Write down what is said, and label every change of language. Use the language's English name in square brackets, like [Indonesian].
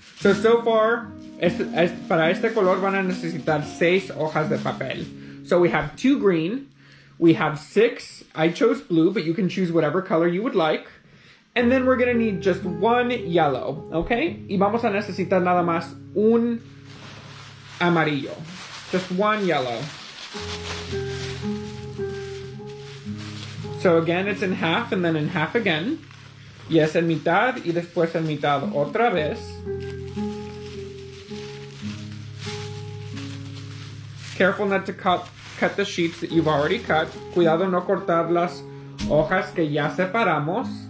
[English] So far, [Spanish] para este color van a necesitar 6 hojas de papel. [English] So we have 2 green, we have 6, I chose blue, but you can choose whatever color you would like. And then we're gonna need just one yellow, okay? [Spanish] Y vamos a necesitar nada más un amarillo. [English] Just one yellow. So again, it's in half and then in half again. [Spanish] Y es en mitad y después en mitad otra vez. [English] Careful not to cut the sheets that you've already cut. [Spanish] Cuidado no cortar las hojas que ya separamos.